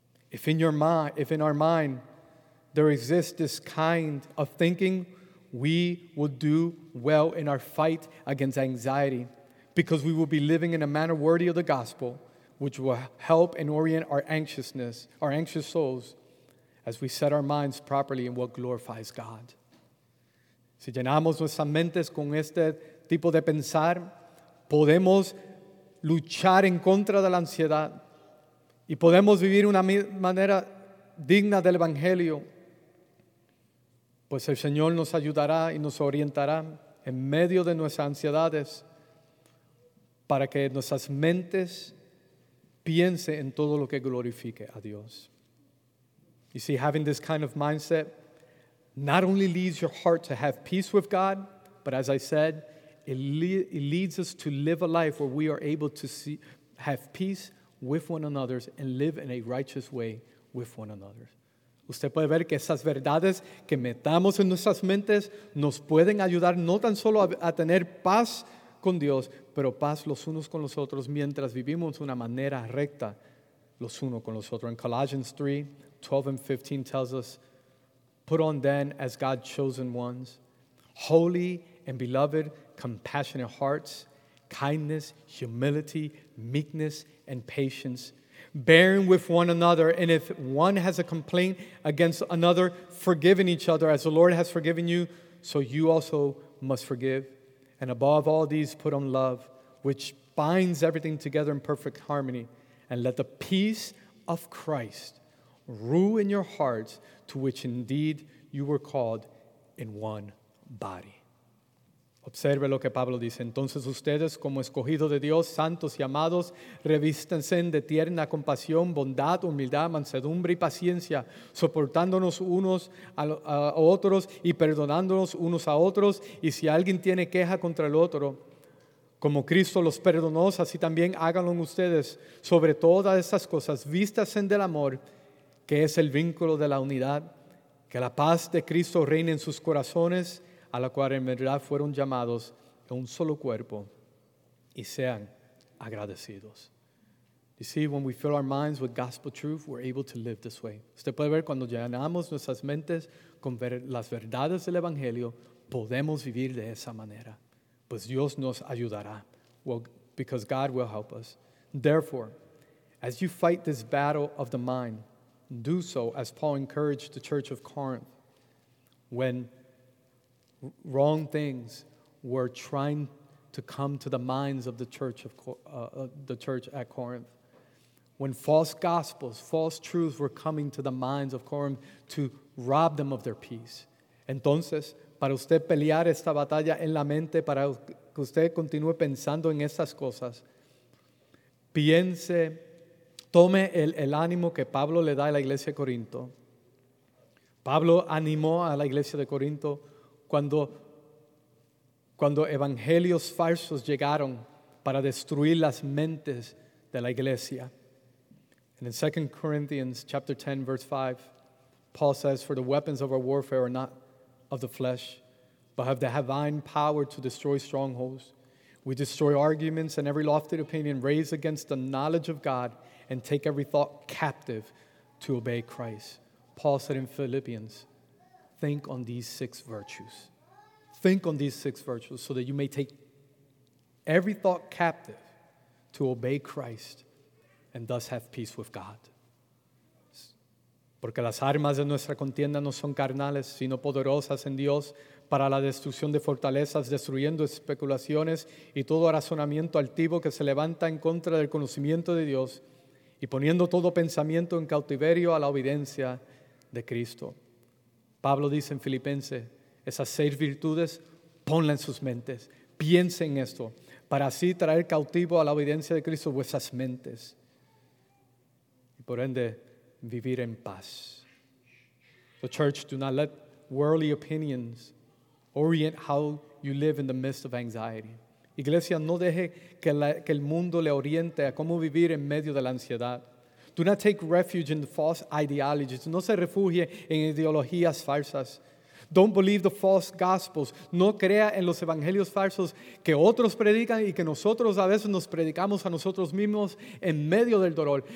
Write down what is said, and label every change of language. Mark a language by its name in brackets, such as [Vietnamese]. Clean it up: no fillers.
[English] If in our mind, there exists this kind of thinking, we will do well in our fight against anxiety because we will be living in a manner worthy of the gospel, which will help and orient our anxious souls, as we set our minds properly in what glorifies God. [Spanish] Si llenamos nuestras mentes con este tipo de pensar, podemos luchar en contra de la ansiedad y podemos vivir una manera digna del evangelio. Pues el Señor nos ayudará y nos orientará en medio de nuestras ansiedades para que nuestras mentes piense en todo lo que glorifique a Dios. [English] You see, having this kind of mindset not only leads your heart to have peace with God, but as I said, it leads us to live a life where we are able to have peace with one another and live in a righteous way with one another. [Spanish] Usted puede ver que esas verdades que metamos en nuestras mentes nos pueden ayudar no tan solo a tener paz con Dios, pero paz los unos con los otros mientras vivimos una manera recta los unos con los otros. [English] In Colossians 3, 12 and 15 tells us, put on then as God's chosen ones, holy and beloved, compassionate hearts, kindness, humility, meekness, and patience, bearing with one another. And if one has a complaint against another, forgiving each other as the Lord has forgiven you, so you also must forgive. And above all these, put on love, which binds everything together in perfect harmony. And let the peace of Christ rule in your hearts, to which indeed you were called in one body. [Spanish] Observe lo que Pablo dice. Entonces ustedes, como escogidos de Dios, santos y amados, revístanse de tierna compasión, bondad, humildad, mansedumbre y paciencia, soportándonos unos a otros y perdonándonos unos a otros. Y si alguien tiene queja contra el otro, como Cristo los perdonó, así también háganlo ustedes. Sobre todas estas cosas, vístanse del amor, que es el vínculo de la unidad, que la paz de Cristo reine en sus corazones, a la cual en verdad fueron llamados en un solo cuerpo, y sean agradecidos. [English] You see, when we fill our minds with gospel truth, we're able to live this way. [Spanish] Usted puede ver, cuando llenamos nuestras mentes con las verdades del Evangelio, podemos vivir de esa manera. Pues Dios nos ayudará. [English] Well, because God will help us. Therefore, as you fight this battle of the mind, do so as Paul encouraged the church of Corinth when wrong things were trying to come to the minds of the church at Corinth. When false gospels, false truths were coming to the minds of Corinth to rob them of their peace. [Spanish] Entonces, para usted pelear esta batalla en la mente, para que usted continúe pensando en estas cosas, piense, tome el ánimo que Pablo le da a la iglesia de Corinto. Pablo animó a la iglesia de Corinto cuando evangelios falsos llegaron para destruir las mentes de la iglesia. [English] And in 2 Corinthians chapter 10, verse 5, Paul says, "For the weapons of our warfare are not of the flesh, but have the divine power to destroy strongholds. We destroy arguments and every lofty opinion raised against the knowledge of God, and take every thought captive to obey Christ." Paul said in Philippians, think on these six virtues. Think on these six virtues so that you may take every thought captive to obey Christ and thus have peace with God. [Spanish] Porque las armas de nuestra contienda no son carnales, sino poderosas en Dios para la destrucción de fortalezas, destruyendo especulaciones y todo razonamiento altivo que se levanta en contra del conocimiento de Dios, y poniendo todo pensamiento en cautiverio a la obediencia de Cristo. Pablo dice en Filipenses, esas seis virtudes, ponla en sus mentes. Piense en esto, para así traer cautivo a la obediencia de Cristo vuestras mentes. Y por ende, vivir en paz. [English] The church, do not let worldly opinions orient how you live in the midst of anxiety. [Spanish] Iglesia, no deje que el mundo le oriente a cómo vivir en medio de la ansiedad. [English] Do not take refuge in the false ideologies. [Spanish] No se refugie en ideologías falsas. [English] Don't believe the false gospels. [Spanish] No crea en los evangelios falsos que otros predican y que nosotros a veces nos predicamos a nosotros mismos en medio del dolor.